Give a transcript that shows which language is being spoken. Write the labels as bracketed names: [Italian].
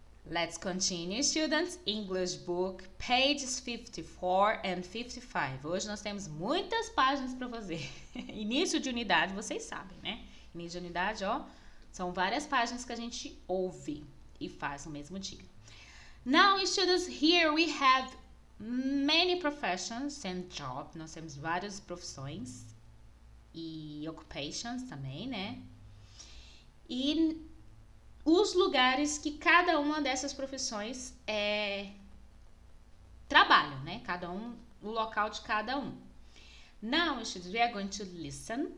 [English] Let's continue, students. English book, pages 54 and 55. [Portuguese] Hoje nós temos muitas páginas para fazer. Início de unidade, vocês sabem, né? Início de unidade, ó. São várias páginas que a gente ouve e faz no mesmo dia. [English] Now, students, here we have many professions and jobs. [Portuguese] Nós temos várias profissões e occupations também, né? E os lugares que cada uma dessas profissões é trabalho, né? Cada um, o local de cada um. Now, students, we are going to listen.